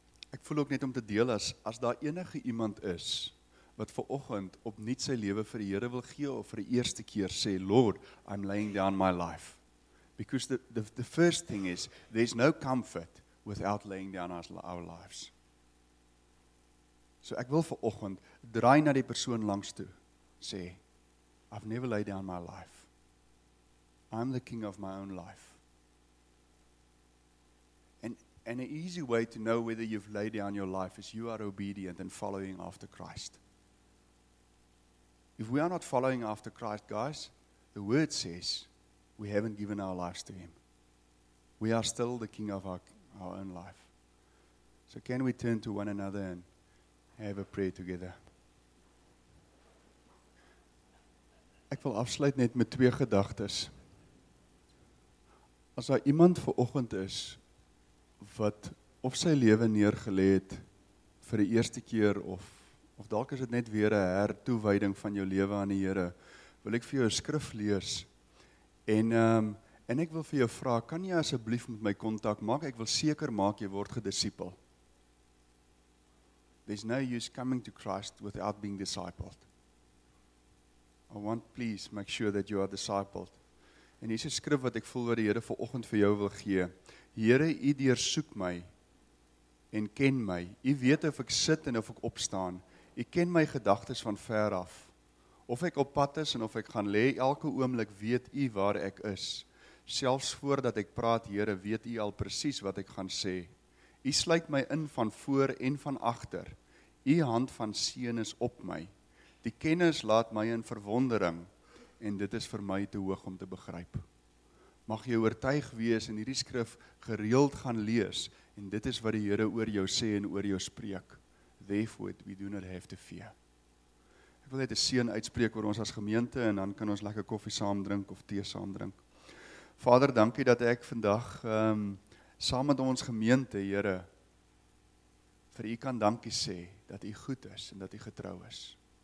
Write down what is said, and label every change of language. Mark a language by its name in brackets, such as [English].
[Afrikaans] Ek voel ook net om te deel as daar enige iemand is wat vanoggend opnuut sy lewe vir die Here wil gee of vir die eerste keer sê, [English] Lord, I'm laying down my life. Because the first thing is, there's no comfort without laying down our lives. [Afrikaans] So ek wil vanoggend draai na die persoon langs toe, sê, [English] I've never laid down my life. I'm the king of my own life. And an easy way to know whether you've laid down your life is you are obedient and following after Christ. If we are not following after Christ, guys, the word says we haven't given our lives to him. We are still the king of our own life. So can we turn to one another and have a prayer together? [Afrikaans] Ek wil afsluit net met twee gedagtes. As daar iemand vanoggend is wat of sy lewe neergelê het vir die eerste keer of dalk is dit net weer 'n hertoewyding van jou lewe aan die Here, wil ek vir jou 'n skrif lees. En ek wil vir jou vra, kan jy asseblief met my kontak maak? Ek wil seker maak jy word gedisipel. [English] There's no use coming to Christ without being discipled. Please make sure that you are discipled. [Afrikaans] En hier is 'n skrif wat ek voel wat die Here vanoggend vir jou wil gee. Here, U deursoek my en ken my. U weet of ek sit en of ek opstaan. U ken my gedagtes van ver af. Of ek op pad is en of ek gaan lê, elke oomblik weet U waar ek is. Selfs voordat ek praat, Here, weet U al presies wat ek gaan sê. U sluit my in van voor en van agter. U hand van seën is op my. Die kennis laat my in verwondering en dit is vir my te hoog om te begryp. Mag jy oortuig wees en hierdie skrif gereeld gaan lees en dit is wat die Here oor jou sê en oor jou spreek. [English] Therefore we do not have to fear. [Afrikaans] Ek wil net 'n seën uitspreek oor ons as gemeente en dan kan ons lekker koffie saam drink of tee saam drink. Vader, dankie dat ek vandag saam met ons gemeente, Here, vir U kan dankie sê dat U goed is en dat U getrou is.